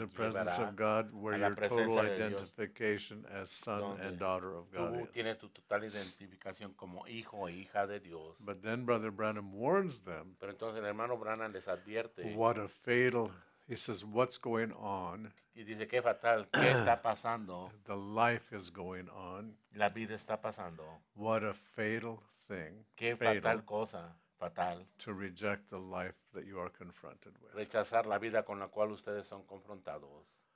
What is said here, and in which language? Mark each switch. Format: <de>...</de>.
<en>the presence of God where your total identification</en> <es>Dios,</es> <en>as son and daughter of God</en> <es>tú</es> <en>is.</en> <es>Tienes tu total identificación como hijo e hija de Dios.</es> <en>But then Brother Branham warns them.</en> <es>Pero entonces el hermano Branham les advierte,</es> <en>what a fatal, he says, what's going on?</en> <es>Y dice, qué fatal, qué está pasando?</es> <en>The life is going on.</en> <es>La vida está pasando.</es> <en>What a fatal thing.</en> <es>Qué fatal cosa. Fatal.</es> <en>To reject the life that you are confronted with.</en> <es>Rechazar la vida con la cual ustedes son confrontados.</es>